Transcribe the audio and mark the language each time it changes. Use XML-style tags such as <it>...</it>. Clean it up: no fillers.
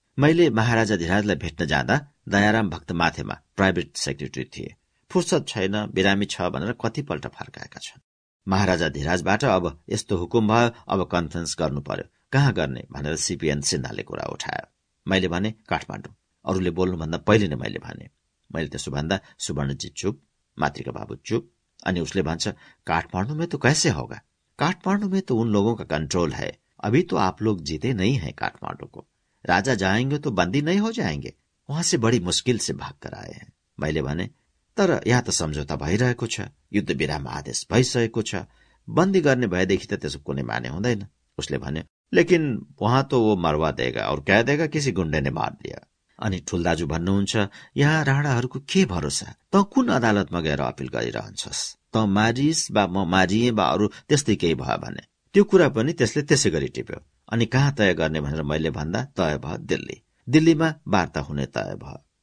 <ne>मैले महाराजा धीराजलाई भेट्न जाँदा दयाराम भक्त माथेमा प्राइभेट सेक्रेटरी थिए, फुर्सद छैन, बिरामी छ भनेर कतिपल्ट फर्काएका छन्। महाराजा धीराजबाट अब यस्तो हुकुम भयो, अब कन्फरेन्स गर्नु पर्यो, कहाँ गर्ने भनेर सीपीएन सिन्हाले कुरा उठायो। मैले भने काठमाडौँ, अरूले बोल्नुभन्दा पहिले नै मैले भने। मैले त्यसो भन्दा सुवर्णजी चुप, मातृका बाबु चुप, अनि उसले भन्छ,</ne> <hi>काठमाडौँमै तो कैसे होगा, काठमाडौँमै तो उन लोगों का कंट्रोल है, अभी तो आप लोग जीते नहीं है काठमाडौँ को, राजा जाएंगे तो बंदी नहीं हो जाएंगे, वहां से बड़ी मुश्किल से भाग कर आए हैं।</hi> <ne>मैले भने, तर यहाँ त सम्झौता भइरहेको छ, युद्ध विराम आदेश भइसकेको छ, बन्दी गर्ने भएदेखि त त्यसो कुनै माने हुँदैन। उसले भन्यो,</ne> <hi>लेकिन वहाँ तो वो मरवा देगा और कह देगा किसी गुंडे ने मार दिया।</hi> <ne>अनि ठूल दाजु भन्नुहुन्छ, यहाँ राणाहरूको के भरोसा, त कुन अदालतमा गएर अपिल गरिरहन्छस्, त मारिस वा म मारिए वा अरू त्यस्तै केही भयो भने। त्यो कुरा पनि त्यसले त्यसै गरी टिप्यो। अनि कहाँ तय गर्ने भनेर मैले भन्दा, तय भयो दिल्ली, दिल्लीमा वार्ता हुने तय भयो।</ne>